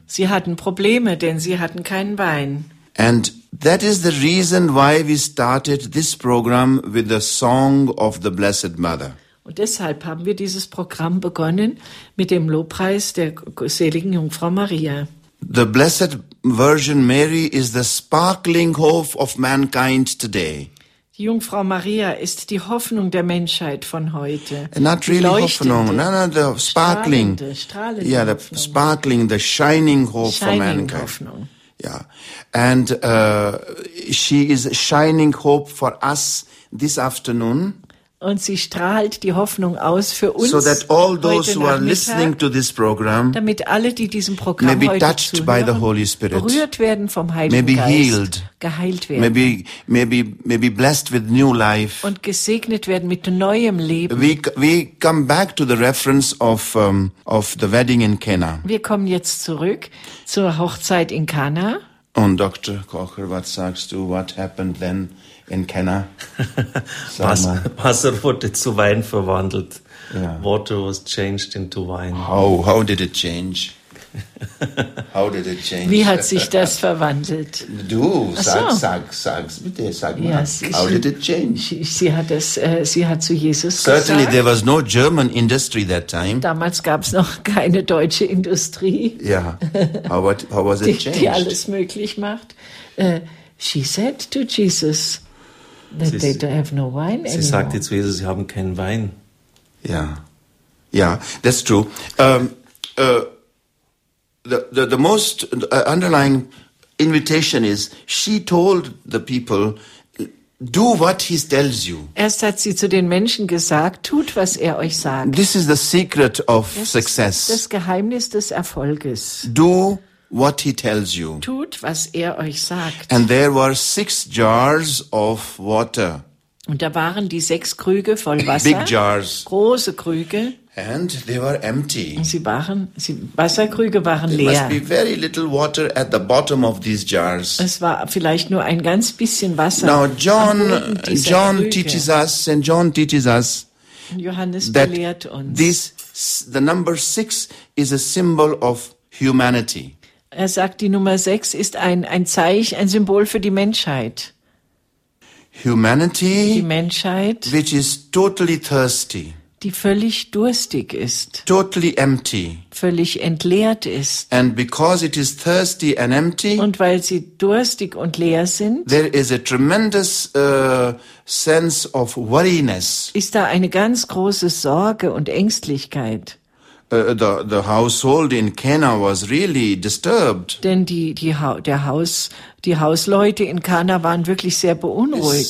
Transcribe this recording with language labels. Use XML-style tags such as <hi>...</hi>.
<de>Sie hatten Probleme, denn sie hatten keinen Wein.</de> <en>And that is the reason why we started this program with the song of the Blessed Mother.</en> <de>Und deshalb haben wir dieses Programm begonnen mit dem Lobpreis der seligen Jungfrau Maria.</de> <en>The Blessed Virgin Mary is the sparkling hope of mankind today.</en> <de>Die Jungfrau Maria ist die Hoffnung der Menschheit von heute.</de> <en>Not really Hoffnung, no, the sparkling.</en> <de>Strahlende</de> <en>yeah, the</en> <de>Hoffnung.</de> <en>Sparkling, the shining hope shining for mankind.</en> <de>Hoffnung.</de> <en>Yeah, and she is shining hope for us this afternoon.</en> <de>Und sie strahlt die Hoffnung aus für uns.</de> <en>So that all those who are listening to this program,</en> <de>damit alle, die diesem Programm heute zuhören,</de> <en>may be touched by the Holy Spirit,</en> <de>berührt werden vom Heiligen</de> <en>may be</en> <de>Geist,</de> <en>healed,</en> <de>geheilt werden,</de> <en>may be blessed with new life,</en> <de>und gesegnet werden mit neuem Leben.</de> <en>We come back to the reference of the wedding in Cana.</en> <de>Wir kommen jetzt zurück zur Hochzeit in Cana. Und Dr. Kocher, was sagst du?</de> <en>What happened then? In Cana.</en> <de>Wasser wurde zu Wein verwandelt.</de> <en>Yeah. Water was changed into wine. How did it change?</en> <de>Wie hat sich das verwandelt? Du, sag bitte.</de> <en>How did it change?</en> <de>Sie hat zu Jesus</de> <en>Certainly</en> <de>gesagt.</de> <en>Certainly there was no German industry that time.</en> <de>Damals gab es noch keine deutsche Industrie.</de> <en>Ja. Yeah. How was it changed?</en> <de>Die alles möglich macht.</de> <en>She said to Jesus, that they don't have no wine</en> <de>sie</de> <en>anymore.</en> <de>Sie sagte zu Jesus, sie haben keinen Wein.</de> <en>Ja, yeah. Yeah, that's true. The most underlying invitation is, she told the people, do what he tells you.</en> <de>Erst hat sie zu den Menschen gesagt, tut, was er euch sagt.</de> <en>This is the secret of success.</en> <de>Das ist das Geheimnis des Erfolges.</de> <en>Do what he tells you.</en> <de>Tut, was er euch sagt.</de> <en>And there were 6 jars of water.</en> <de>Und da waren die 6 Krüge voll Wasser.</de> <en>Big jars.</en> <de>Große Krüge.</de> <en>And they were empty.</en> <de>Und Wasserkrüge waren leer.</de> <en>There must be very little water at the bottom of these jars.</en> <de>Es war vielleicht nur ein ganz bisschen Wasser.</de> <en>Now John teaches us, and John teaches us,</en> <de>und Johannes belehrt uns,</de> <en>that the number 6 is a symbol of humanity.</en> <de>Er sagt, die Nummer 6 ist ein Zeichen, ein Symbol für die Menschheit.</de> <en>Humanity,</en> <de>die Menschheit,</de> <en>which is totally thirsty,</en> <de>die völlig durstig ist,</de> <en>totally empty,</en> <de>völlig entleert ist.</de> <en>And because it is thirsty and empty,</en> <de>und weil sie durstig und leer sind,</de> <en>there is a tremendous sense of worriness,</en> <de>ist da eine ganz große Sorge und Ängstlichkeit.</de> <en>The household in Cana was really disturbed.</en> <de>Denn die Hausleute in Cana waren wirklich sehr beunruhigt.</de>